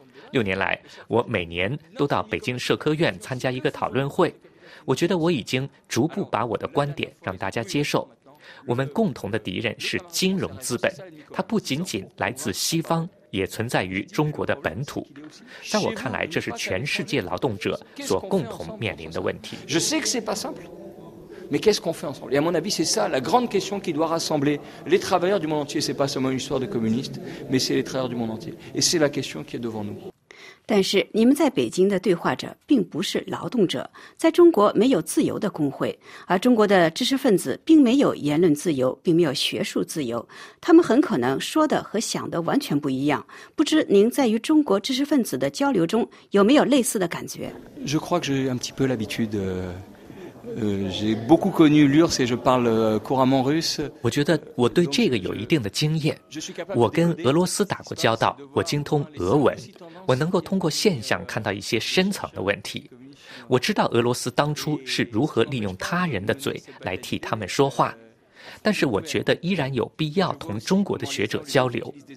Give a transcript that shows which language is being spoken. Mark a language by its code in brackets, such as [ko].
[zh] 六年来，我每年都到北京社科院参加一个讨论会，我觉得我已经逐步把我的观点让大家接受。我们共同的敌人是金融资本，它不仅仅来自西方，也存在于中国的本土。在我看来，这是全世界劳动者所共同面临的问题。 [fr] Je sais que c'est pas simple, mais qu'est-ce qu'on fait ensemble? Et à mon avis, c'est ça la grande question qui doit rassembler les travailleurs du monde entier. C'est pas seulement une histoire de communistes, mais c'est les travailleurs du monde entier. Et c'est la question qui est devant nous. [zh] 但是你们在北京的对话者并不是劳动者，在中国没有自由的工会，而中国的知识分子并没有言论自由，并没有学术自由，他们很可能说的和想的完全不一样。不知您在与中国知识分子的交流中有没有类似的感觉？ [fr] Je crois que j'ai un petit peu l'habitude. J'ai beaucoup connu l'URSS et je parle couramment russe. [zh] 我觉得我对这个有一定的经验。我跟俄罗斯打过交道，我精通俄文。我能够通过现象看到一些深层的问题。我知道俄罗斯当初是如何利用他人的嘴来替他们说话，但是我觉得依然有必要同中国的学者交流。